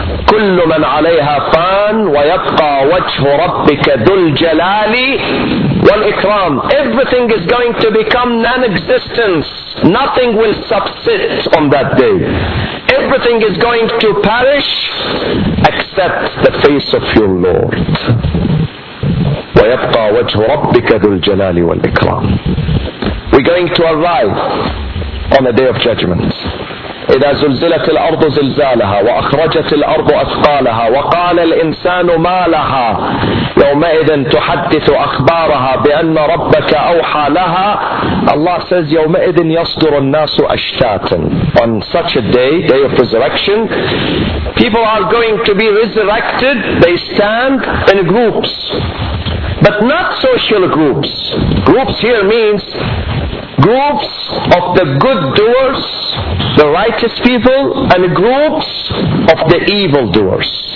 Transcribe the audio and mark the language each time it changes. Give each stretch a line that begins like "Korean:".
Arabic: كل من عليها فان ويبقى وجه ربك ذو الجلال والإكرام.
English: Everything is going to become non-existence. Nothing will subsist on that day. Everything is going to perish except the face of your Lord.
Arabic: ويبقى وجه ربك ذو الجلال والإكرام.
English: We're going to arrive on a day of judgment.
Arabic: إذا زلزلت الأرض زلزالها وأخرجت الأرض أثقالها وقال الإنسان ما لها يومئذ تحدث أخبارها بأن ربك أوحى لها.
English: Allah says
Arabic: يومئذ يصدر الناس أشتاتا.
English: On such a day, day of resurrection, people are going to be resurrected. They stand in groups, but not social groups. Groups here means groups of the good doers, the righteous people, and groups of the evil doers.